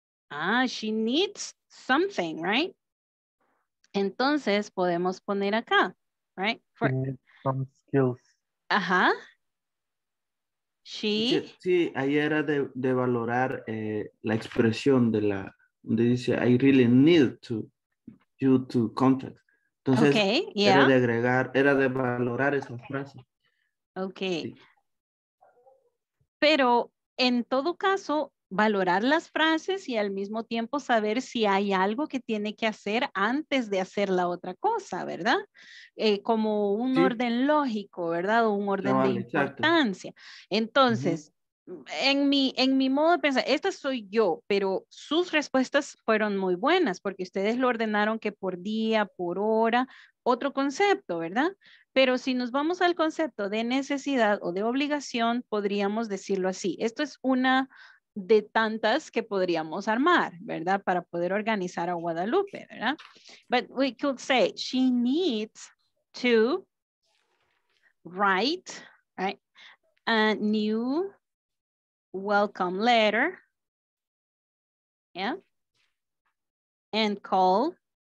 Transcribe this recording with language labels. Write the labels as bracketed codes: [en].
[en] Ah, she needs something, right? [es] Entonces podemos poner acá, [en] right? For, she needs some skills. Ajá. She. [es] Sí, ahí era de valorar la expresión de la. Donde dice, [en] I really need to you to contact. [es] Entonces, okay, yeah. Era de agregar, era de valorar esa frase. Ok. Sí. Pero en todo caso, valorar las frases y al mismo tiempo saber si hay algo que tiene que hacer antes de hacer la otra cosa, ¿verdad? Como un sí. Orden lógico, ¿verdad? O un orden de importancia. Exacto. Entonces, uh-huh. En mi modo de pensar, esta soy yo, pero sus respuestas fueron muy buenas porque ustedes lo ordenaron que por día, por hora, otro concepto, ¿verdad? Pero si nos vamos al concepto de necesidad o de obligación, podríamos decirlo así. Esto es una de tantas que podríamos armar, ¿verdad? Para poder organizar a Guadalupe, ¿verdad? [en] But we could say, she needs to write a new welcome letter, yeah, and call